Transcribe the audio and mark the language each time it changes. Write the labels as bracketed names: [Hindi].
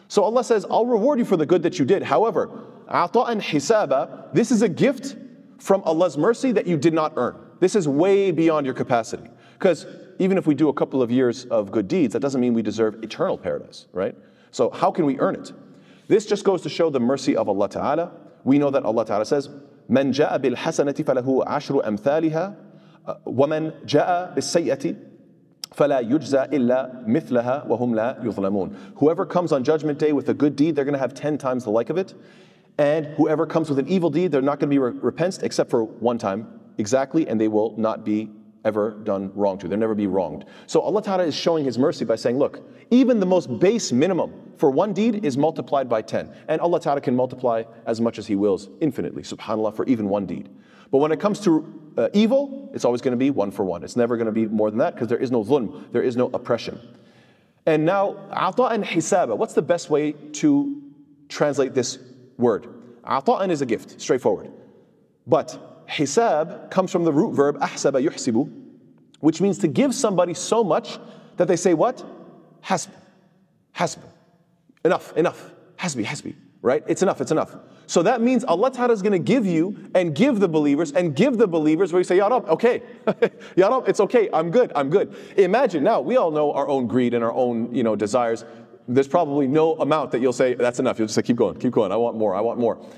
[English] So Allah says, I'll reward you for the good that you did. However, [Arabic] عَطَاءً حِسَابًا, [English] this is a gift from Allah's mercy that you did not earn. This is way beyond your capacity. Because even if we do a couple of years of good deeds, that doesn't mean we deserve eternal paradise, right? So how can we earn it? This just goes to show the mercy of Allah Ta'ala. We know that Allah Ta'ala says, [Arabic] مَنْ جَاءَ بِالْحَسَنَةِ فَلَهُ عَشْرُ أَمْثَالِهَا وَمَنْ جَاءَ بِالسَّيَّةِ فَلَا يُجْزَى إِلَّا مِثْلَهَا وَهُمْ لَا يُظْلَمُونَ. [English] Whoever comes on judgment day with a good deed, they're going to have 10 times the like of it. And whoever comes with an evil deed, they're not going to be repensed except for one time exactly, and they will not be ever done wrong to. They'll never be wronged. So Allah Ta'ala is showing His mercy by saying, look, even the most base minimum for one deed is multiplied by 10. And Allah Ta'ala can multiply as much as He wills infinitely, subhanAllah, for even one deed. But when it comes to evil, it's always going to be one for one. It's never going to be more than that because there is no dhulm, there is no oppression. And now, [Arabic] عَطَاءً حِسَابًا, [English] what's the best way to translate this word? عَطَاءً is a gift, straightforward. But حِسَاب comes from the root verb أَحْسَبَ يُحْسِبُ, which means to give somebody so much that they say what? [Arabic] حَسْب, حَسْب, [English] enough, enough, [Arabic] حَسْبِ, حَسْبِ, right? [English] It's enough, it's enough. So that means Allah Ta'ala is going to give you and give the believers and give the believers where you say, Ya Rab, okay. Ya Rab, it's okay. I'm good. I'm good. Imagine now, we all know our own greed and our own, you know, desires. There's probably no amount that you'll say, that's enough. You'll just say, keep going, keep going. I want more. I want more.